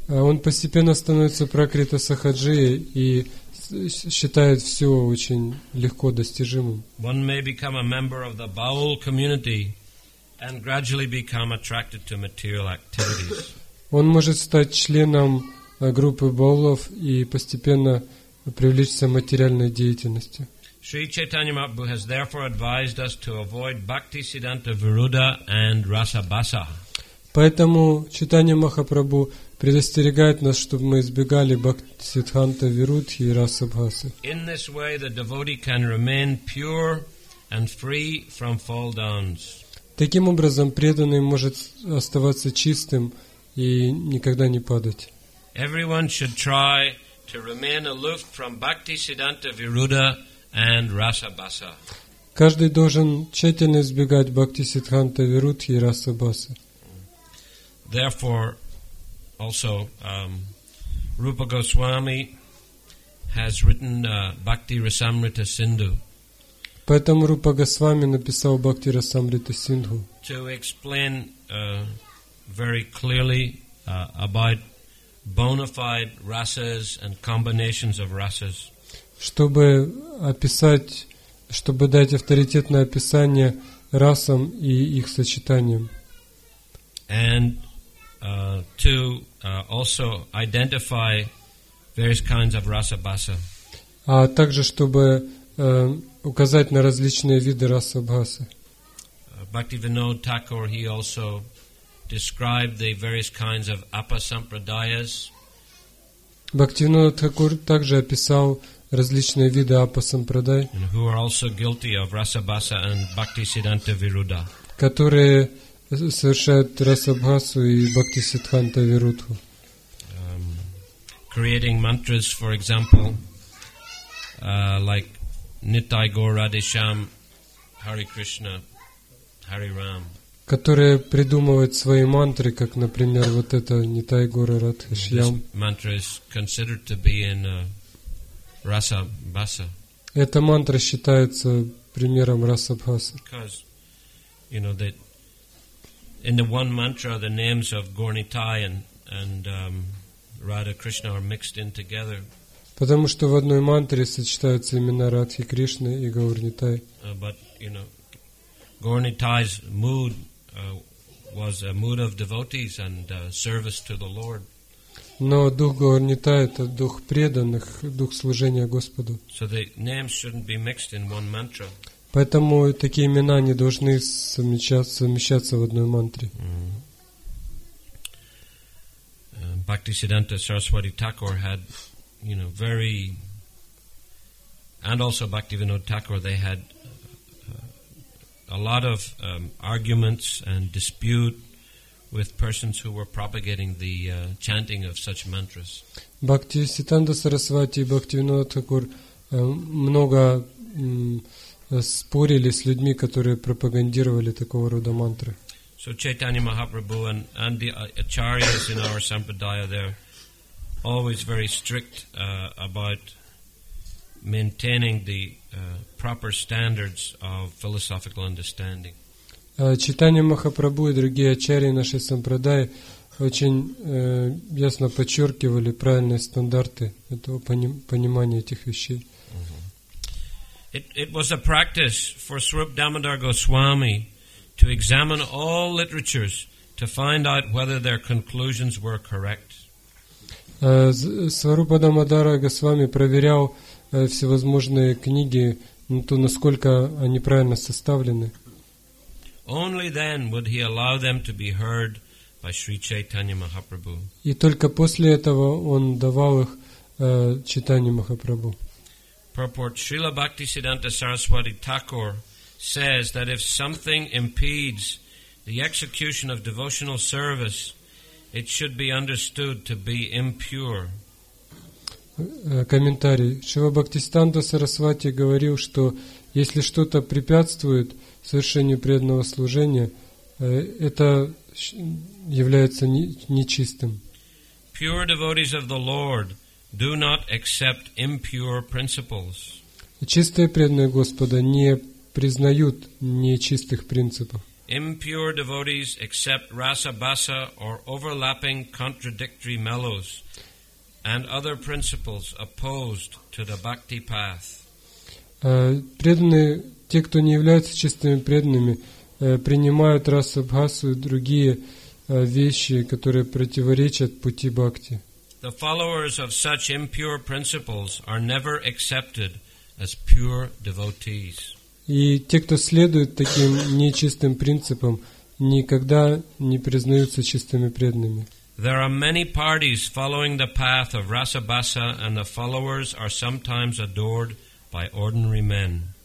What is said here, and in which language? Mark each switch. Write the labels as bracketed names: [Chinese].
[Russian] Он постепенно становится пракрита сахаджия и считает все очень легко достижимым. [English] One may become a member of the bowel community and gradually become attracted to material activities. [Russian] Он может стать членом группы боулов и постепенно привлечься к материальной деятельности. [English] Sri Chaitanya Mahaprabhu has therefore advised us to avoid Bhakti Siddhanta Viruddha and Rasabhasa. [Russian] Поэтому Чайтанья Махапрабху предостерегает нас, чтобы мы избегали Бхакти Сиддханта Вируддхи и Расабхасы. [English] In this way, the devotee can remain pure and free from fall downs. [Russian] Таким образом, преданный может оставаться чистым и никогда не падать. [English] Everyone should try to remain aloof from Bhakti Siddhanta Viruddha and Rasabhasa. [Russian] Каждый должен тщательно избегать Бхакти Сиддханта Вируддхи и Расабхасы. [English] Therefore, also, Rupa Goswami has written Bhakti Rasamrita Sindhu. [Russian] Поэтому Рупа Госвами написал Бхакти Расамрита Синдху. [English] To explain very clearly about bona fide rasas and combinations of rasas. [Russian] Чтобы описать, чтобы дать авторитетное описание расам и их сочетаниям. [English] And to also identify various kinds of rasabhasa. [Russian] А также, чтобы указать на различные виды расабхасы. [English] Bhaktivinoda Thakur, he also described the various kinds of apasampradayas. [Russian] Bhaktivinoda Thakur также описал различные виды апасампрадай, [English] who are also guilty of rasabhasa and Bhakti Siddhanta Viruddha, [Russian] которые совершают расабхасу и Бхакти Сиддханта Вируддху. [English] creating mantras, for example, like Nitai Gaur Radhe Shyam, Hare Krishna, Hare Ram. [Russian] Которые придумывают свои мантры, как, например, вот это Нитай Гаур Радхе Шьям. [English] This mantra is considered to be in Rasa Bhasa. [Russian] Эта мантра считается примером Rasa Bhasa. [English] Because, you know, that in the one mantra, the names of Gaur Nitai and Radha Krishna are mixed in together. [Russian] Потому что в одной мантре сочетаются имена Радхи Кришны и Гаур Нитай. [English] But, you know, Gaur Nitai's mood was a mood of devotees and service to the Lord. [Russian] Но дух Гаур Нитай — это дух преданных, дух служения Господу. [English] So the names shouldn't be mixed in one mantra. [Russian] Поэтому такие имена не должны совмещаться в одной мантре. [English] Bhaktisiddhanta Saraswati Thakur had, you know, very, and also Bhaktivinoda Thakur, they had a lot of arguments and dispute with persons who were propagating the chanting of such mantras. [Russian] Bhaktisiddhanta Saraswati и Bhaktivinoda Thakur много спорили с людьми, которые пропагандировали такого рода мантры. [English] So Chaitanya Mahaprabhu and the acharyas in our sampradaya, they're always very strict about maintaining the proper standards of philosophical understanding. [Russian] Chaitanya Mahaprabhu и другие ачарьи нашей сампрадаи очень ясно подчеркивали правильные стандарты этого понимания этих вещей. [English] It was a practice for Swarup Damodar Goswami to examine all literatures to find out whether their conclusions were correct. [Russian] Сварупа Дамодара Госвами проверял всевозможные книги на то, насколько они правильно составлены. [English] Only then would he allow them to be heard by Sri Chaitanya Mahaprabhu. [Russian] И только после этого он давал их читанию Махапрабху. [English] Purport Srila Bhaktisiddhanta Saraswati Thakur says that if something impedes the execution of devotional service, it should be understood to be impure. [Russian] Комментарий. Шива Бхактисиддханта Сарасвати говорил, что если что-то препятствует совершению преданного служения, это является нечистым. [English] Pure devotees of the Lord do not accept impure principles. [Russian] Чистые преданные Господа не признают нечистых принципов. [English] Impure devotees accept rasa basa or overlapping contradictory mellows and other principles opposed to the bhakti path. [Russian] Преданные, те, кто не являются чистыми преданными, принимают rasa basa и другие вещи, которые противоречат пути бхакти. [English] The followers of such impure principles are never accepted as pure devotees. [Russian] И те, кто следует таким нечистым принципам, никогда не признаются чистыми преданными. [English] There are many parties following the path of rasa basa, and the followers are sometimes adored by ordinary men.